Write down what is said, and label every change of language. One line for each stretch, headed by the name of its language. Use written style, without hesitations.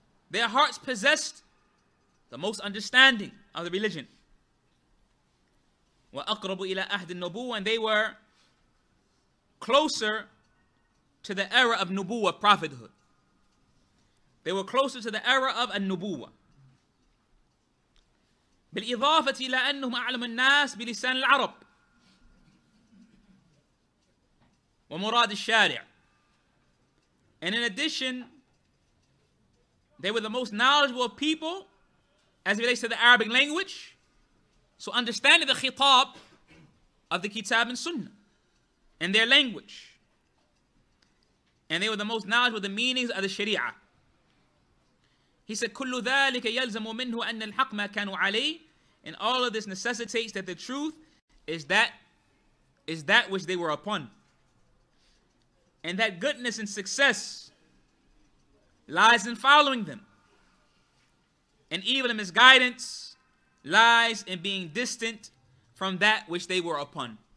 English: Their hearts possessed the most understanding of the religion.
Arabic: وَأَقْرَبُ إِلَىٰ أَهْدِ النُّبُوَ.
English: And they were closer to the era of Nubuwa, prophethood. They were closer to the era of al-Nubuwa.
Arabic: بالإضافة إلى أنهم أعلم الناس بلسان العرب ومراد الشارع.
English: And in addition, they were the most knowledgeable of people as it relates to the Arabic language. So understanding the khitab of the kitab and sunnah and their language. and they were the most knowledgeable of the meanings of the Sharia. He said,
Arabic: كل ذلك يلزم منه أن الحق ما كانوا عليه.
English: And all of this necessitates that the truth is that which they were upon. And that goodness and success lies in following them. And evil and misguidance lies in being distant from that which they were upon.